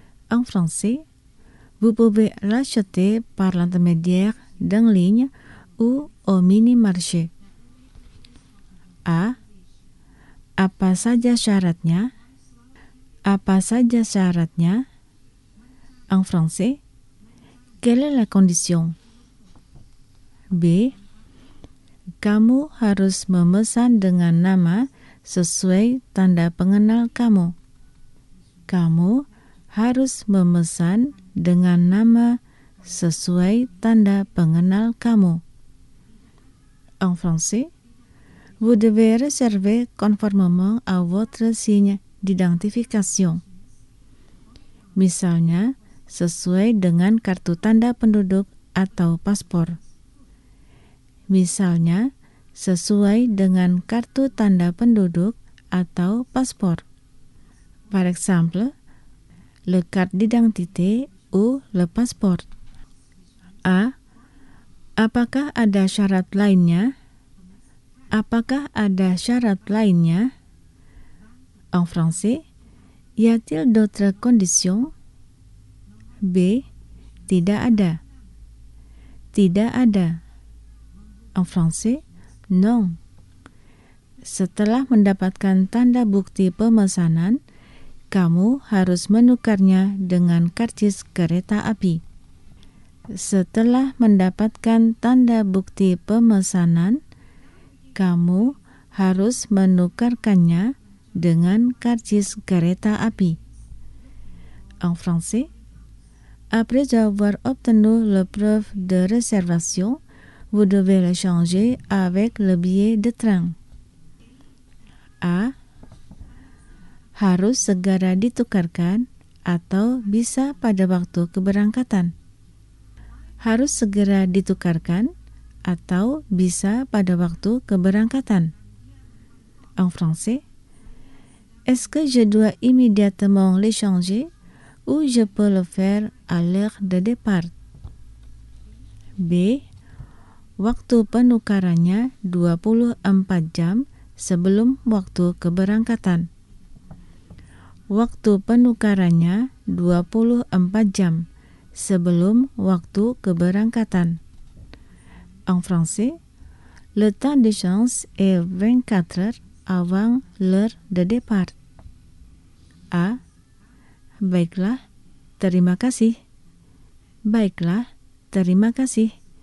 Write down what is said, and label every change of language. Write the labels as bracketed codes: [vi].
[fr] En français, vous pouvez l'acheter par l'intermédiaire d'en ligne ou au minimarché. [id] A. Apa saja syaratnya? Apa saja syaratnya? [fr] En français, quelle est la condition? B. [id] Kamu harus memesan dengan nama sesuai tanda pengenal kamu. Kamu harus memesan dengan nama sesuai tanda pengenal kamu. [fr] En français, vous devez réserver conformément à votre signe d'identification. [id] Misalnya, sesuai dengan kartu tanda penduduk atau paspor. Misalnya, sesuai dengan kartu tanda penduduk atau paspor. [fr] Par exemple, le carte d'identité ou le passeport. A. [id] Apakah ada syarat lainnya? Apakah ada syarat lainnya? [fr] En français, y a-t-il d'autres conditions? [id] B. Tidak ada. Tidak ada. [fr] En français, non. [id] Setelah mendapatkan tanda bukti pemesanan, kamu harus menukarnya dengan karcis kereta api. Setelah mendapatkan tanda bukti pemesanan, kamu harus menukarkannya dengan karcis kereta api. [fr] En français, après avoir obtenu la preuve de réservation, vous devez l'échanger avec le billet de train. A. [id] Harus segera ditukarkan atau bisa pada waktu keberangkatan. Harus segera ditukarkan atau bisa pada waktu keberangkatan. [fr] En français, est-ce que je dois immédiatement l'échanger ou je peux le faire à l'heure de départ? B. [id] Waktu penukarannya 24 jam sebelum waktu keberangkatan. Waktu penukarannya 24 jam sebelum waktu keberangkatan. [fr] En français, le temps d'échange est 24 heures avant l'heure de départ. A. [id] Baiklah, terima kasih. Baiklah, terima kasih.